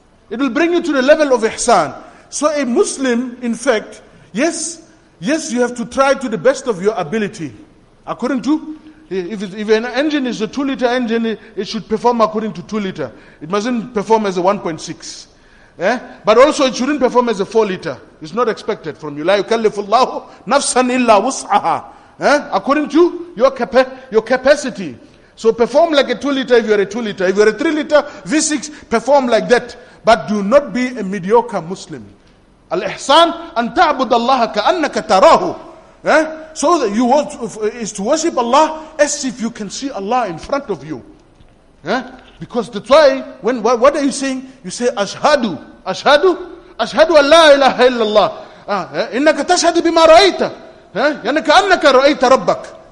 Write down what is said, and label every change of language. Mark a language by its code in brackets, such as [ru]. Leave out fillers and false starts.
[en] It will bring you to the level of ihsan. So a Muslim, in fact, yes, you have to try to the best of your ability. According to, If an engine is a 2-liter engine, it should perform according to 2-liter. It mustn't perform as a 1.6. But also, it shouldn't perform as a 4-liter. It's not expected from you. [ar] لا يكلف الله نفسا إلا وسعها. [en] According to your capacity. So perform like a 2-liter if you are a 2-liter. If you are a 3-liter V6, perform like that. But do not be a mediocre Muslim. [ar] الإحسان أن تعبد الله كأنك تراه. [en] So that you want is to worship Allah as if you can see Allah in front of you. Because that's why, when what are you saying? You say, Ashhadu, Ashhadu, [ar] Ashhadu Allah ilaha illallah. إنك تشهد بما رأيت. يعني كأنك رأيت ربك.